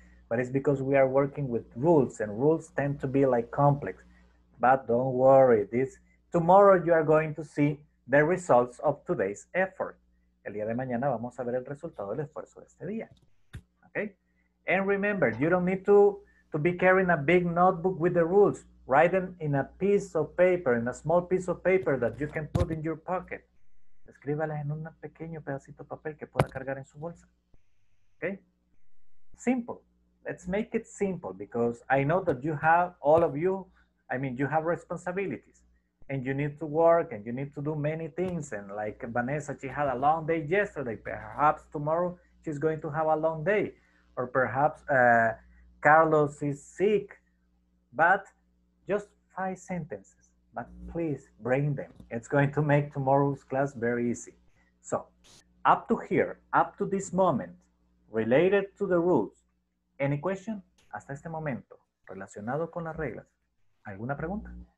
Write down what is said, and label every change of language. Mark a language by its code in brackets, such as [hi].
[en] But it's because we are working with rules, and rules tend to be like complex. But don't worry, this tomorrow you are going to see the results of today's effort. [es] El día de mañana vamos a ver el resultado del esfuerzo de este día. [en] Okay? And remember, you don't need to be carrying a big notebook with the rules. Write them in a piece of paper, in a small piece of paper that you can put in your pocket. [es] Escríbalas en un pequeño pedacito de papel que pueda cargar en su bolsa. [en] Okay? Simple. Let's make it simple because I know that you have, all of you, I mean, you have responsibilities. And you need to work and you need to do many things. And like Vanessa, she had a long day yesterday. Perhaps tomorrow she's going to have a long day. Or perhaps Carlos is sick. But just 5 sentences, but please bring them. It's going to make tomorrow's class very easy. So up to here, up to this moment, related to the rules, any question? [es] Hasta este momento, relacionado con las reglas, ¿alguna pregunta?